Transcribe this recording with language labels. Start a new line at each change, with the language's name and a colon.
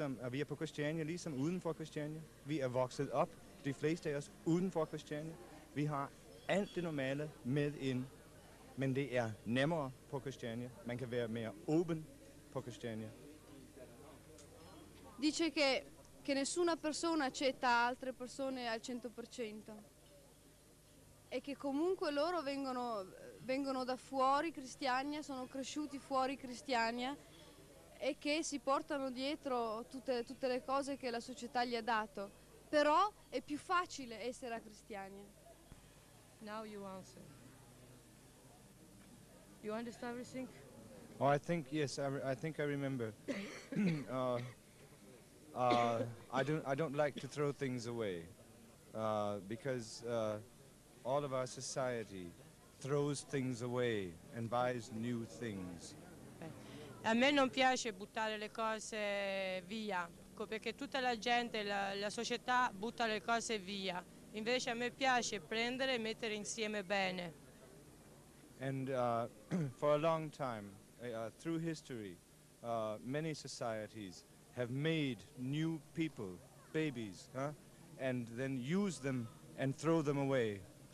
Danish: Vi er på Christiania ligesom uden for Christiania. Vi er vokset op, de fleste af os, uden for Christiania. Vi har alt det normale med ind, men det er nemmere på Christiania. Man kan være mere åben på Christiania.
Italian: Dice che nessuna persona accetta altre persone al 100%. E che comunque loro vengono da fuori Christiania, sono cresciuti fuori Christiania e che si portano dietro tutte le cose che la società gli ha dato. Però è più facile essere a Christiania.
English: Now you answer. You understand everything? Oh, I think yes. I think I remember. I don't like to throw things away, because all of our society throws things away and buys new things.
Italian: A me non piace buttare le cose via, perché tutta la gente, la società butta le cose via. Invece a me piace prendere e mettere insieme bene.
English: And for a long time, through history, many societies have made new people, babies, huh? And then use them and throw them away.